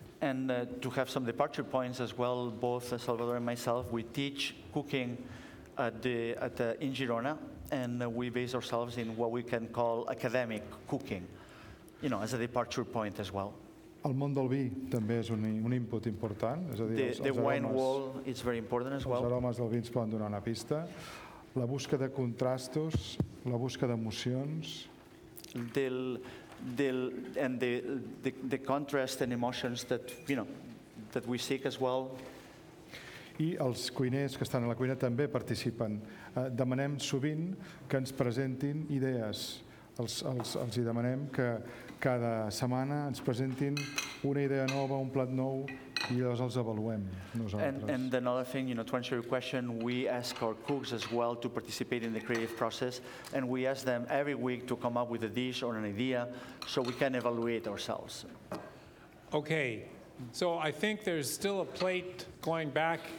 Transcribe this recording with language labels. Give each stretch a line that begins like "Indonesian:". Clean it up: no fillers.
English: And to have some departure points as well, both Salvador and myself, we teach cooking in Girona, and we base ourselves in what we can call academic cooking, you know, as a departure point as well.
Catalan: El món del vi també és un input important, és a dir, els aromes del vi ens poden donar una pista. La busca de contrastos, la busca d'emocions.
English: And the contrast and emotions that, you know, that we seek as well.
Catalan: I els cuiners que estan a la cuina també participen. Demanem sovint que ens presentin idees. Els hi demanem que cada setmana ens presentin una idea nova, un plat nou, i llavors els avaluem nosaltres.
English: And another thing, you know, to answer your question, we ask our cooks as well to participate in the creative process, and we ask them every week to come up with a dish or an idea so we can evaluate ourselves. Okay, so I think there's still a plate going back.